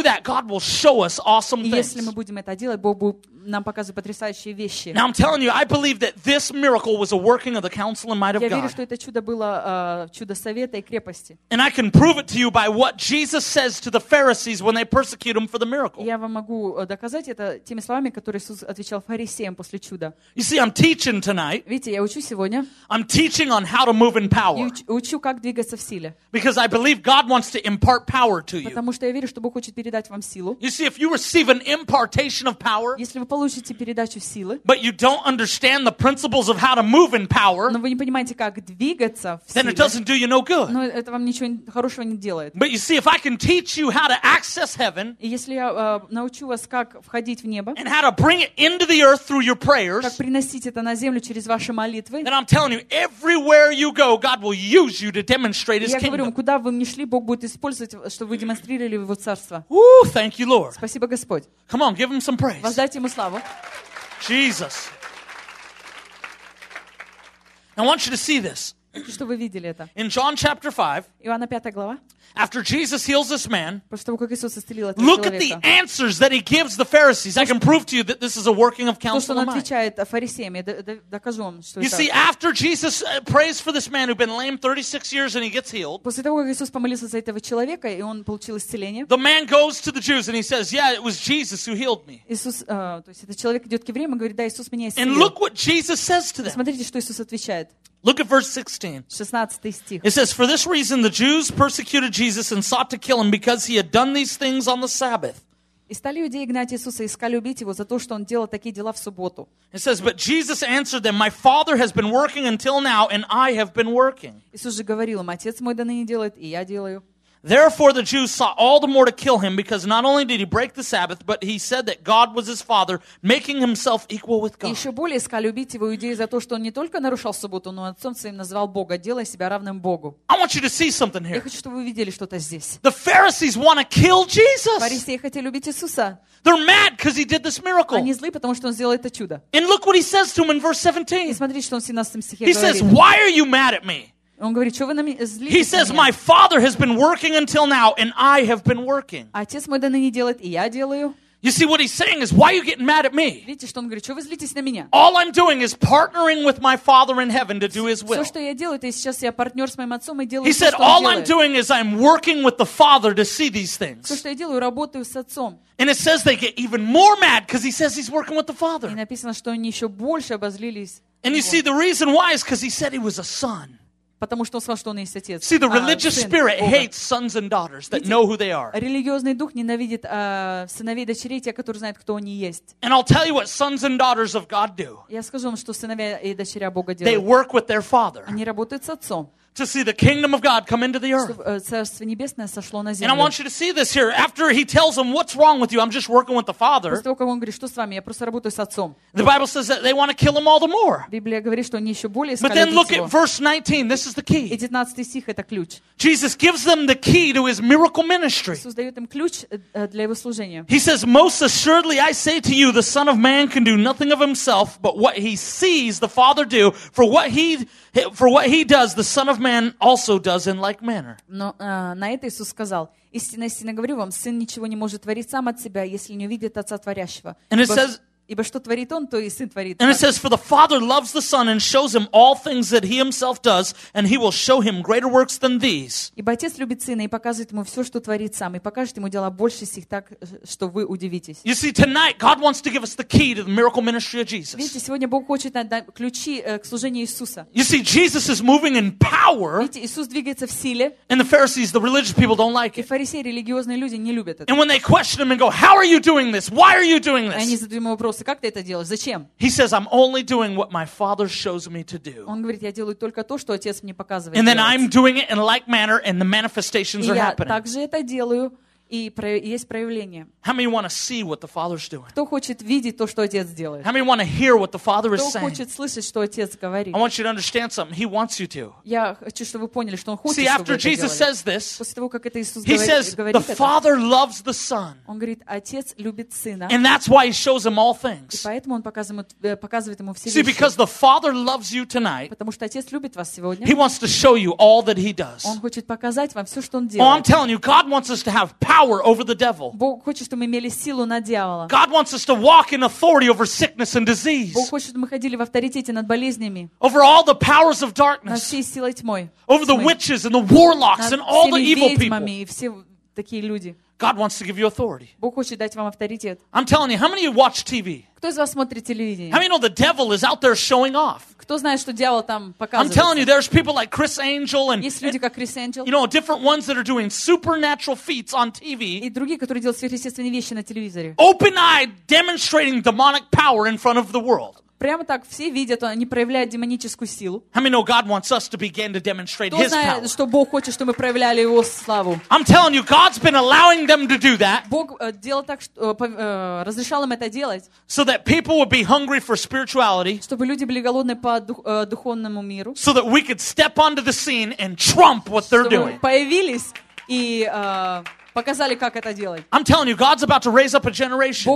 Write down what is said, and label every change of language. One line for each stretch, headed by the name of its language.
Russian: Если мы будем это делать, Бог будет нам показывать потрясающие вещи.
English: Now I'm telling you, I believe that this miracle was a working of the counsel and might of God.
Russian: Я верю, что это чудо было чудо совета и крепости.
English: And I can prove it to you by what Jesus says to the Pharisees when they persecute him for the miracle.
Russian: Я вам могу доказать это теми словами, которые Иисус отвечал фарисеям после чуда.
English: You see, I'm teaching tonight.
Russian: Видите, я учу сегодня.
English: I'm teaching on how to move in power.
Russian: Учу, как двигаться в силе.
English: Because I believe God wants to impart power to you.
Russian: Потому что я верю, что Бог хочет передать вам силу.
English: You see, if you receive an impartation of power.
Russian: Вы получите передачу силы.
English: But you don't understand the principles of how to move in power.
Russian: Но вы не понимаете, как двигаться в силе.
English: Then it doesn't do you no good.
Russian: Но это вам ничего хорошего не делает.
English: But you see, if I can teach you how to access heaven.
Russian: И если я научу вас, как входить в небо.
English: And how to bring it into the earth through your prayers.
Russian: Как приносить это на землю через ваши молитвы.
English: Then I'm telling you, everywhere you go, God will use you to demonstrate His kingdom.
Russian: Я говорю вам, куда вы ни шли, Бог будет использовать, чтобы вы демонстрировали Его царство.
English: Woo, thank you, Lord.
Russian: Спасибо, Господь.
English: Come on, give Him some praise.
Russian: Воздайте Ему славу.
English: Jesus. I want you to see this.
Russian: Чтобы вы видели это.
English: In John chapter 5.
Russian: Иоанна 5 глава.
English: After Jesus heals this man.
Russian: После того, как Иисус исцелил этого человека.
English: Look at the answers that he gives the Pharisees. I can prove to you that this is a working of counsel of mine.
Russian: То, что он отвечает фарисеям, я докажу вам, что это.
English: You see, after Jesus prays for this man who'd been lame 36 years and he gets healed.
Russian: После того, как Иисус помолился за этого человека и он получил исцеление.
English: The man goes to the Jews and he says, "Yeah, it was Jesus who healed me."
Russian: Иисус, то есть этот человек идет к евреям и говорит: "Да, Иисус меня исцелил."
English: And look what Jesus says to them.
Russian: Смотрите, что Иисус отвечает.
English: Look at verse 16. It says, "For this reason, the Jews persecuted Jesus and sought to kill him because he had done these things on the Sabbath."
Russian: И стали иудеи гнать Иисуса и искали убить его за то, что он делал такие дела в субботу.
English: It says, "But Jesus answered them, 'My Father has been working until now, and I have been working.'"
Russian: Иисус же говорил им: "Отец мой до ныне делает, и я делаю."
English: Therefore, the Jews sought all the more to kill him because not only did he break the Sabbath, but he said that God was his Father, making himself equal with God.
Russian: Еще более искали убить его иудеи за то, что он не только нарушал субботу, но отцом своим назвал Бога, делая себя равным Богу.
English: I want you to see something here.
Russian: Я хочу, чтобы вы видели что-то здесь.
English: The Pharisees want to kill Jesus.
Russian: Фарисеи хотели убить Иисуса.
English: They're mad because he did this miracle.
Russian: Они злы, потому что он сделал это чудо.
English: And look what he says to him in verse 17.
Russian: И смотрите, что он в 17 стихе говорит.
English: He says, "Why are you mad at me?"
Russian: Он говорит: "Что вы на меня злитесь?"
English: He says, "My Father has been working until now, and I have been working."
Russian: Отец мой до ныне делает, и я делаю.
English: You see what he's saying is, "Why are you getting mad at me?"
Russian: Видите, что он говорит: "Что вы злитесь на меня?"
English: All I'm doing is partnering with my Father in heaven to do His will.
Russian: Все, что я делаю, это сейчас я партнер с моим отцом и делаю.
English: He said, "All I'm doing is I'm working with the Father to see these things."
Russian: Все, что я делаю, работаю с отцом.
English: And it says they get even more mad because he says he's working with the Father.
Russian: И написано, что они еще больше обозлились.
English: And you see the reason why is because he said he was a son.
Russian: Потому что он сказал, что он есть отец.
English: See, the religious spirit hates sons and daughters that know who they are.
Russian: Религиозный дух ненавидит сыновей и дочерей, те, которые знают, кто они есть.
English: And I'll tell you what sons and daughters of God do.
Russian: Я скажу вам, что сыновья и дочеря Бога делают.
English: They work with their father.
Russian: Они работают с отцом.
English: To see the kingdom of God come into the earth.
Russian: Царство небесное сошло на землю.
English: And I want you to see this here. After he tells them, "What's wrong with you? I'm just working with the Father."
Russian: После того, как он говорит: "Что с вами? Я просто работаю с отцом."
English: The Bible says that they want to kill him all the more.
Russian: Библия говорит, что они еще более искали его.
English: But then look at verse 19. This is the key.
Russian: И 19 стих это ключ.
English: Jesus gives them the key to his miracle ministry.
Russian: Иисус дает им ключ для его служения.
English: He says, "Most assuredly I say to you, the Son of Man can do nothing of himself, but what he sees the Father do. For what he does, the Son of man also does in like manner.
Russian: Но на это Иисус сказал: истинно, истинно говорю вам, сын ничего не может творить сам от себя, если не увидит отца творящего.
English: And it says,
Russian: ибо что творит он, то и сын творит.
English: And it says, for the Father loves the Son and shows him all things that he himself does, and he will show him greater works than these.
Russian: Ибо отец любит сына и показывает ему все, что творит сам, и покажет ему дела больше сих, так что вы удивитесь.
English: You see, tonight God wants to give us the key to the miracle ministry of Jesus.
Russian: Видите, сегодня Бог хочет нам дать ключи к служению Иисуса.
English: You see, Jesus is moving in power.
Russian: Видите, Иисус двигается в силе.
English: And the Pharisees, the religious people, don't like it.
Russian: И фарисеи, религиозные люди, не любят это.
English: And when they question him and go, how are you doing this? Why are you doing this?
Russian: Они задают ему вопрос. Как ты это делаешь? Зачем?
English: He says, I'm only doing what my Father shows me to do.
Russian: Он говорит, я делаю только то, что отец мне показывает.
English: And then I'm doing it in like manner, and the manifestations are happening.
Russian: И я также это делаю, и есть проявление.
English: How many want to see what the Father's doing?
Russian: Кто хочет видеть то, что отец делает?
English: How many want to hear what the Father is saying?
Russian: Кто хочет слышать, что отец говорит?
English: I want you to understand something. He wants you to.
Russian: Я хочу, чтобы вы поняли, что он хочет, чтобы вы это делали.
English: See, after Jesus says this,
Russian: после того, как это Иисус говорит,
English: the Father loves the Son.
Russian: Он говорит, отец любит сына.
English: And that's why he shows him all things.
Russian: И поэтому он показывает ему все вещи.
English: See, because the Father loves you tonight.
Russian: Потому что отец любит вас сегодня.
English: He wants to show you all that he does.
Russian: Он хочет показать вам все, что он делает.
English: Oh, I'm telling you, God wants us to have power over the devil.
Russian: Чтобы мы имели силу на дьявола.
English: God wants us to walk in authority over sickness and disease.
Russian: Бог хочет, чтобы мы ходили в авторитете над болезнями.
English: Over all the powers of darkness.
Russian: Над всей силой тьмой.
English: Over the witches and the warlocks and all the evil people.
Russian: Над всеми ведьмами и все такие люди.
English: God wants to give you authority.
Russian: Бог хочет дать вам авторитет.
English: I'm telling you, how many of you watch TV?
Russian: Кто из вас смотрит телевидение?
English: How many know the devil is out there showing off?
Russian: Кто знает, что дьявол там показывает?
English: I'm telling you, there's people like Chris Angel and
Russian: есть люди как Крис Энджел.
English: You know, different ones that are doing supernatural feats on TV.
Russian: И другие, которые делают сверхъестественные вещи на телевизоре.
English: Open-eyed, demonstrating demonic power in front of the world.
Russian: Прямо так все видят, они проявляют демоническую силу.
English: How many know God wants us to begin to demonstrate His power?
Russian: Кто знает, что Бог хочет, чтобы мы проявляли Его славу?
English: I'm telling you, God's been allowing them to do that.
Russian: Бог делал так, разрешал им это делать.
English: So that people would be hungry for spirituality.
Russian: Чтобы люди были голодны по духовному миру.
English: So that we could step onto the scene and trump what they're doing.
Russian: Чтобы появились и показали, как это делать.
English: I'm telling you, God's about to raise up a generation.